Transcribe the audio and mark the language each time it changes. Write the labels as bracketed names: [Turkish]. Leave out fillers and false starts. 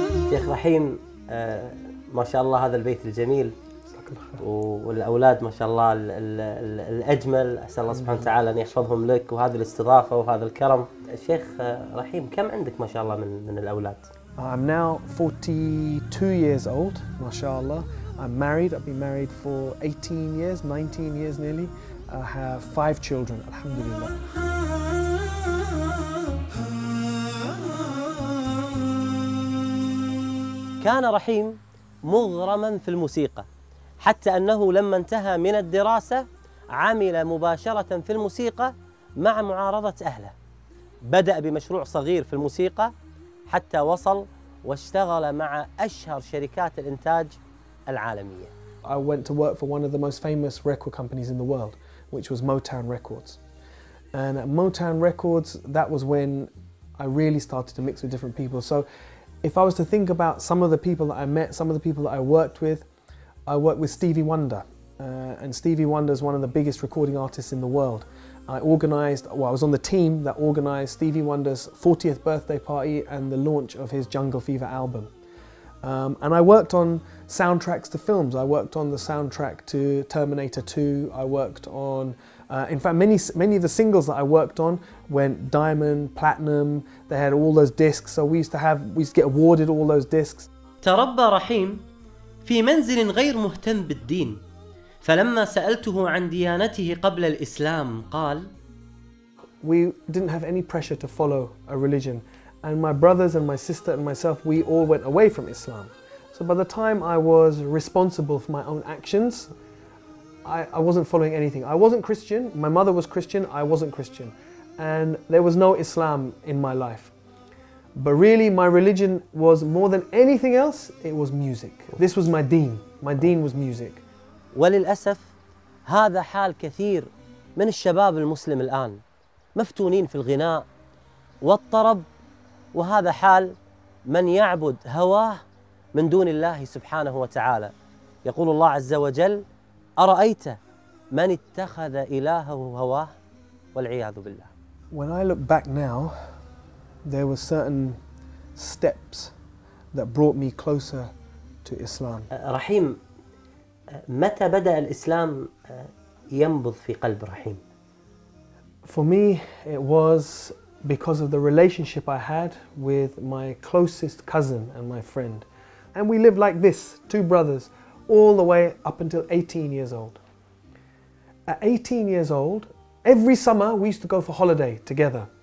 [Arabic] شيخ رحيم ما شاء الله هذا البيت الجميل والأولاد ما شاء الله الأجمل أسأل الله سبحانه وتعالى أن يحفظهم لك وهذا الاستضافة وهذا الكرم شيخ رحيم كم عندك ما شاء الله من الأولاد [English] I'm now 42 years old [Arabic] ما شاء الله [English] I'm married I've been married for 18 years 19 years nearly I have 5 children [Arabic] الحمد لله كان رحيم مغرما في الموسيقى حتى أنه لما انتهى من الدراسة عمل مباشرة في الموسيقى مع معارضة أهله بدأ بمشروع صغير في الموسيقى حتى وصل واشتغل مع أشهر شركات الإنتاج العالمية [English] I went to work for one of the most famous record companies in the world which was Motown Records and at Motown Records that was when I really started to mix with different people so If I was to think about some of the people that I met, some of the people that I worked with Stevie Wonder. And Stevie Wonder is one of the biggest recording artists in the world. I was on the team that organized Stevie Wonder's 40th birthday party and the launch of his Jungle Fever album. And I worked on soundtracks to films. I worked on the soundtrack to Terminator 2. I worked on, in fact, many of the singles that I worked on went diamond, platinum. They had all those discs. So we used to get awarded all those discs. [Arabic] تربى رحيم في منزل غير مهتم بالدين. فلما سألته عن ديانته قبل الإسلام قال [English] We didn't have any pressure to follow a religion. And my brothers and my sister and myself, we all went away from Islam. So by the time I was responsible for my own actions, I wasn't following anything. I wasn't Christian. My mother was Christian. I wasn't Christian. And there was no Islam in my life. But really, my religion was more than anything else, it was music. This was my deen. My deen was music. [Arabic] وللأسف هذا حال كثير من الشباب المسلم الآن مفتونين في الغناء والطرب وهذا حال من يعبد هواه من دون الله سبحانه وتعالى يقول الله عز وجل أرأيت من اتخذ إلهه هواه والعياذ بالله. [English] When I look back now, there were certain steps that brought me closer to Islam. [Arabic] رحيم متى بدأ الإسلام ينبض في قلب رحيم؟ [English] For me, it was because of the relationship I had with my closest cousin and my friend. And we lived like this, two brothers, all the way up until 18 years old. At 18 years old, every summer we used to go for holiday together.